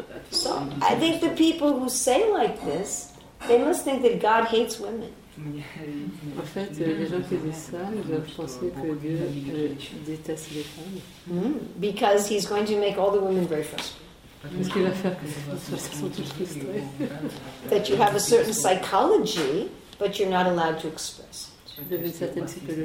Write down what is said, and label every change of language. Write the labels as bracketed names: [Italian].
[English] So I think the people who say like this, they must think that God hates women. [French] En fait, les gens qui disent ça, ils doivent penser que Dieu déteste les femmes. [English] Because he's going to make all the women very frustrated. [French] Parce qu'il va faire que ça soit toutes frustrées. [English] That you have a certain psychology, but you're not allowed to express it.